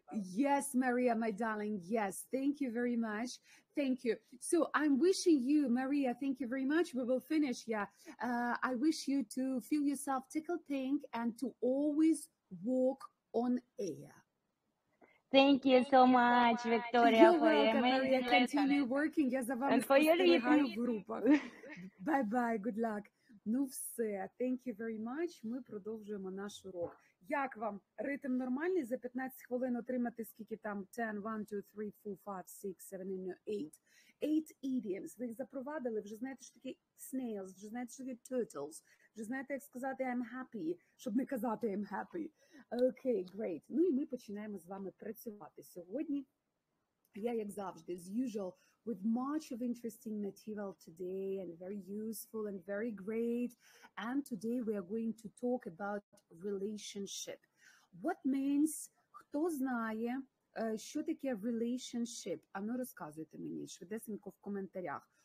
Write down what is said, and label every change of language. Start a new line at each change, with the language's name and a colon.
English: Yes, Maria, my darling, yes, thank you very much. Thank you. So I'm wishing you, Maria, thank you very much. We will finish, yeah. I wish you to feel yourself tickled pink and to always walk on air. Thank you so much, Victoria, for your amazing lesson. Continue working.
Ukrainian: Я за вами спостерігаю в групах.
English: Bye-bye, good luck.
Ukrainian: Ну все,
English: thank you very much.
Ukrainian: Ми продовжуємо наш урок. Як вам? Ритм нормальний? За 15 хвилин отримати скільки там? 10, 1, 2, 3, 4, 5, 6, 7, 8. 8 idioms. Ви їх запровадили? Вже знаєте, що таке snails? Вже знаєте, що таке turtles? Вже знаєте, як сказати
English: I'm happy,
Ukrainian: щоб не казати I'm happy. Окей, great. Ну і ми починаємо з вами працювати сьогодні. Я, як завжди,
English: as usual, with much of interesting material today and very useful and very great. And today we are going to talk about relationship. What means,
Ukrainian: хто знає, що таке relationship? А ну розказуйте мені, швидесенько в коментарях.